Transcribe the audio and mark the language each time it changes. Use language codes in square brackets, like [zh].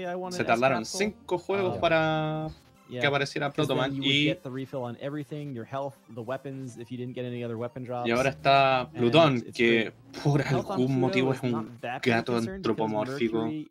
[es] Se tardaron 5 juegos para que apareciera Protoman y [en] the refill on everything, your health, the weapons, if you didn't get any other weapon drops. [es] Y ahora está Plutón, que por algún motivo es un gato antropomórfico.